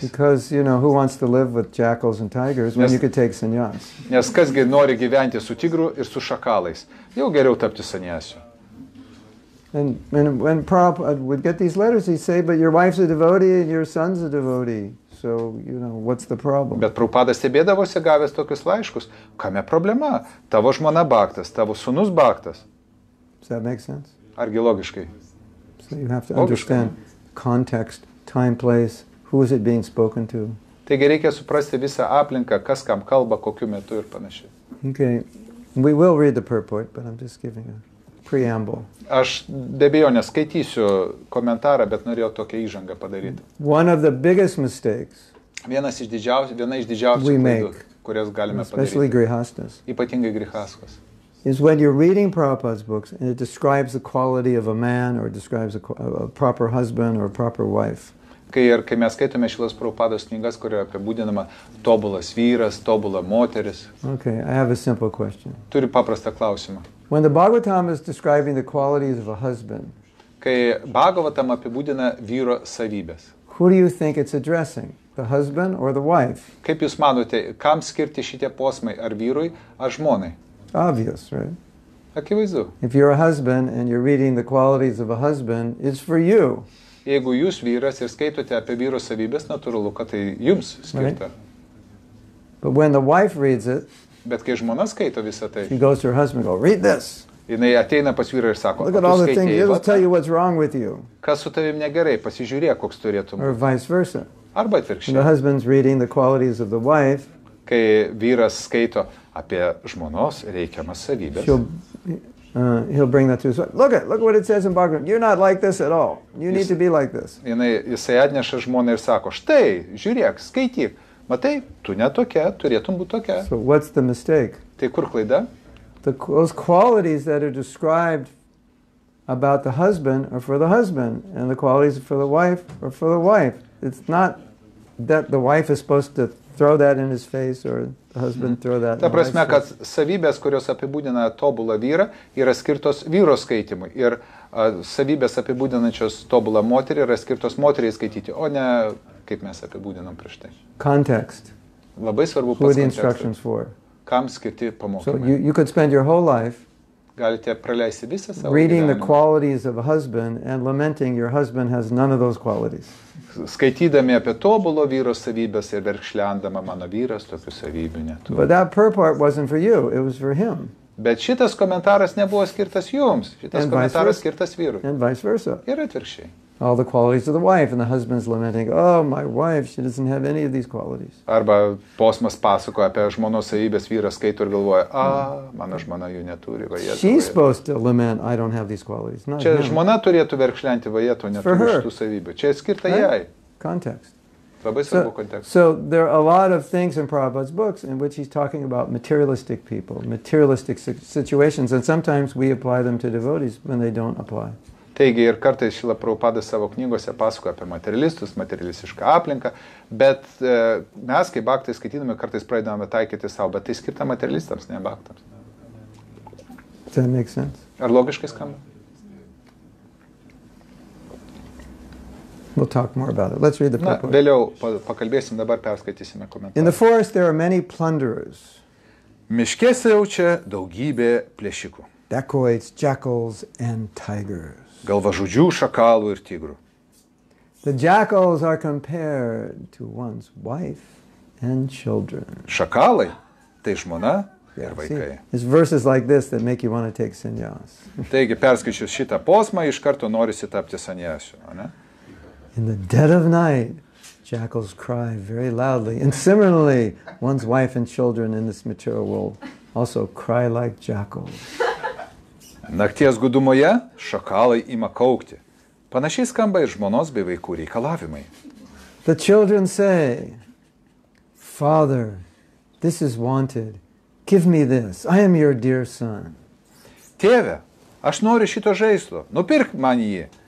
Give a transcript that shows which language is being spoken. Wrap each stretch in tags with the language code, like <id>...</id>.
<en>Because, you know, who wants to live with jackals and tigers when you could take sannyas?</en> <lt>Nes kasgi nori gyventi su tigru ir su šakalais? Jau geriau tapti sannyasiu.</lt> <en>And when Prabhupada would get these letters, he'd say, but your wife's a devotee and your son's a devotee. So, you know, what's the problem?</en> <lt>Bet Prabhupada stebėdavosi gavęs tokius laiškus. Kame problema? Tavo žmona baktas, tavo sūnus baktas.</lt> <en>Does that make sense?</en> <lt>Argi logiškai?</lt> <en>So you have to understand context, time, place, who is it being spoken to.</en> <lt>Taigi reikia suprasti visą aplinką, kas kam kalba, kokiu metu ir panašiai.</lt> <en>Okay, we will read the purport, but I'm just giving a preamble.</en> <lt>Aš be abejo neskaitysiu komentarą, bet norėjau tokią įžangą padaryti.</lt> <en>One of the biggest mistakes.</en> <lt>Viena iš didžiausių klaidų, kurias galime</lt> <en>especially Especially grihastas.</en> <lt>Ypatingai grihaskas.</lt> <en>Is when you're reading Prabhupada's books and it describes the quality of a man or describes a proper husband or a proper wife.</en> <lt>kai mes skaitome šilas Prabhupados knygas, kur yra apibūdinama tobulas vyras, tobula moteris.</lt> <en>Okay, I have a simple question.</en> <lt>Turiu paprastą klausimą.</lt> <en>When the Bhagavatam is describing the qualities of a husband,</en> <lt>kai Bhagavatam apibūdina vyro savybės,</lt> <en>who do you think it's addressing, the husband or the wife?</en> <lt>Kaip jūs manote, kam skirti šitie posmai, ar vyrui, ar žmonai?</lt> <en>Obvious, right?</en> <lt>Akivaizdu.</lt> <en>If you're a husband and you're reading the qualities of a husband, it's for you.</en> <lt>Jeigu jūs vyras ir skaitote apie vyro savybės, natūralu, kad tai jums skirta.</lt> <en>Right? But when the wife reads it,</en> <lt>bet kai žmona skaito visą tai,</lt> <en>she goes to her husband and goes, read this.</en> <lt>Jinai ateina pas vyrą ir sako,</lt> <en>look at all the things, it'll tell you what's wrong with you.</en> <lt>Kas su tavim negerai, pasižiūrė, koks turėtum.</lt> <en>Or vice versa.</en> <lt>Arba atvirkščiai.</lt> <en>When the husband's reading the qualities of the wife,</en> <lt>kai vyras skaito apie žmonos reikiamas savybės,</lt> <en>He'll bring that to his wife. Look what it says in Bhagavatam. You're not like this at all. You need to be like this.</en> <lt>Jisai atneša žmoną ir sako, štai, žiūrėk, skaityk. Matai, tu ne tokia, turėtum būti tokia.</lt> <en>So what's the mistake?</en> <lt>Tai kur klaida?</lt> <en>Those qualities that are described about the husband are for the husband, and the qualities for the wife are for the wife. It's not that the wife is supposed to throw that in his face or the husband throw that.</en> <lt>Ta prasme, kad savybės, kurios apibūdina tobulą vyrą, yra skirtos vyro skaitimui ir savybės apibūdinančios tobulą moterį yra skirtos moteriai skaityti, o ne kaip mes apibūdinam prieš tai.</lt> <en>Context.</en> <lt>Labai svarbu pas kontekstas.</lt> <en>Who are the instructions for?</en> <lt>Kam skirti pamokymai?</lt> <en>So you could spend your whole life</en> <lt>galite praleisti visą savo gyvenimą</lt> <en>reading the qualities of a husband and lamenting your husband has none of those qualities.</en> <lt>Skaitydami apie tobulo vyro savybės ir verkšlendama mano vyras tokių savybių neturi.</lt> <en>But that purport wasn't for you, it was for him.</en> <lt>Bet šitas komentaras nebuvo skirtas jums, šitas komentaras skirtas vyrui.</lt> <en>And vice versa.</en> <lt>Ir atvirkščiai.</lt> <en>All the qualities of the wife, and the husband's lamenting, oh, my wife, she doesn't have any of these qualities.</en> <lt>Arba posmas pasakoja apie žmonos savybės, vyras skaito ir galvoja, ah, mano žmona jų neturi, vajetų.</lt> <en>She's supposed to lament, I don't have these qualities.</en> <lt>Čia žmona turėtų verkšlenti, vajetų, neturi šitų savybių. Čia skirta jai.</lt> <en>Context.</en> <lt>Labai svarbu kontekstas.</lt> <en>So there are a lot of things in Prabhupada's books in which he's talking about materialistic people, materialistic situations, and sometimes we apply them to devotees when they don't apply.</en> <lt>Taigi ir kartais Šila Prabhupadas savo knygose pasakoja apie materialistus, materialistišką aplinką, bet mes, kaip baktai skaitydami, kartais pradedame taikyti savo, bet tai skirta materialistams, ne baktams.</lt> <en>Does that make sense?</en> <lt>Ar logiškai skamba?</lt> <en>We'll talk more about it. Let's read the purport.</en> <lt>Na, vėliau pakalbėsim, dabar perskaitysime komentarą.</lt> <en>In the forest there are many plunderers.</en> <lt>Miške siaučia daugybė plėšikų.</lt> <en>Dacoits, jackals and tigers.</en> <lt>Galvažudžių, šakalų ir tigrų.</lt> <en>The jackals are compared to one's wife and children.</en> <lt>Šakalai tai žmona ir vaikai.</lt> <en>It's verses like this that make you want to take sannyas.</en> <lt>Taigi perskaičius šitą posmą iš karto norisi tapti sannyasiu, ne?</lt> <en>In the dead of night, jackals cry very loudly. And similarly, one's wife and children in this material world also cry like jackals.</en> <lt>Nakties gudumoje šakalai ima kaukti. Panašiai skamba ir žmonos bei vaikų reikalavimai.</lt> <en>The children say, Father, this is wanted. Give me this. I am your dear son.</en> <lt>Tėve, aš noriu šito žaislo. Nupirk man jį.</lt>